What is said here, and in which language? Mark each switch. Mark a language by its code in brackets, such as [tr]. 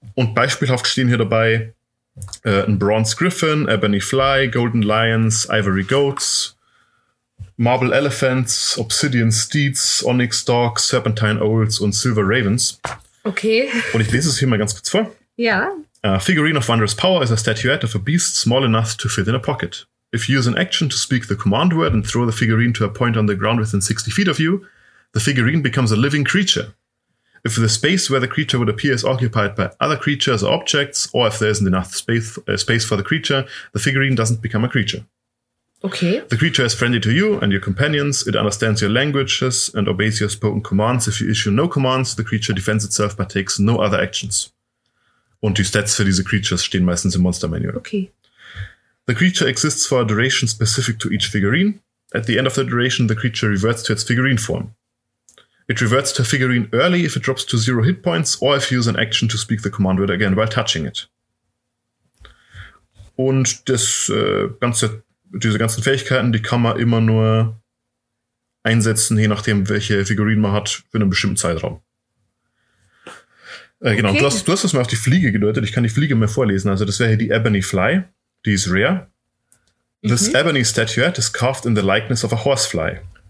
[de] Und beispielhaft stehen hier dabei... ein Bronze Griffin, Ebony Fly, Golden Lions, Ivory Goats, Marble Elephants, Obsidian Steeds, Onyx Dogs, Serpentine Owls und Silver Ravens. Okay. Und ich lese es hier mal ganz kurz vor. Ja. [en] Figurine of Wondrous Power is a statuette of a beast small enough to fit in a pocket. If you use an action to speak the command word and throw the figurine to a point on the ground within 60 feet of you, the figurine becomes a living creature. If the space where the creature would appear is occupied by other creatures or objects, or if there isn't enough space for the creature, the figurine doesn't become a creature. Okay. The creature is friendly to you and your companions. It understands your languages and obeys your spoken commands. If you issue no commands, the creature defends itself but takes no other actions. [de] Und die Stats für diese Creatures stehen meistens im Monster Manual. Okay. [en] The creature exists for a duration specific to each figurine. At the end of the duration, the creature reverts to its figurine form. It reverts to a figurine early if it drops to 0 hit points or if you use an action to speak the command word again while touching it. [de] Und das ganze, diese ganzen Fähigkeiten, die kann man immer nur einsetzen, je nachdem, welche Figurine man hat, für einen bestimmten Zeitraum. Genau, okay. Du hast das mal auf die Fliege gedeutet. Ich kann die Fliege mal vorlesen. Also das wäre hier die Ebony Fly. Die ist rare. Mhm. [en] This ebony statuette is carved in the likeness of a horsefly.